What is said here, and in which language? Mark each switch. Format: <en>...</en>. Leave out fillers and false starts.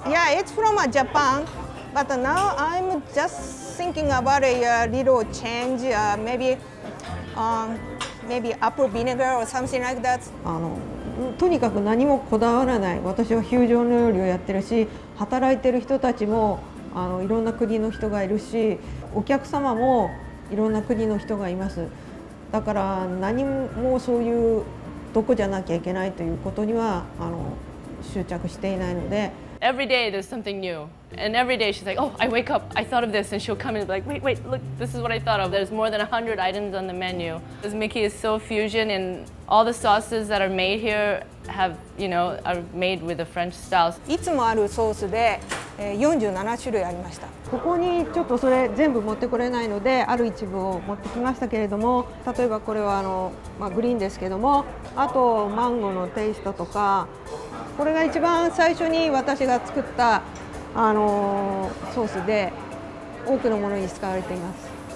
<en>Yeah, it's from Japan but now I'm just thinking about a little change, maybe apple vinegar or something like that.</en> <ja>とにかく何もこだわらない。私はフュージョン料理をやってるし、働いてる人たちもあのいろんな国の人がいるし、お客様もいろんな国の人がいます。だから何もそういうどこじゃなきゃいけないということにはあの執着していないので、</ja> <en>Every day there's something new. And every day she's like, oh, I wake up, I thought of this. And she'll come in and be like, wait, look, this is what I thought of. There's more than 100 items on the menu. This Mickey is so fusion, and all the sauces that are made here have, you know, are made with a French style.</en> <ja>いつもあるソースで47種類ありました。ここにちょっとそれ全部持ってこれないので、ある一部を持ってきましたけれども、例えばこれはあの、まあ、グリーンですけども、あとマンゴーのテイストとか、これが一番最初に私が作ったあのソースで多くのものに使われています。</ja>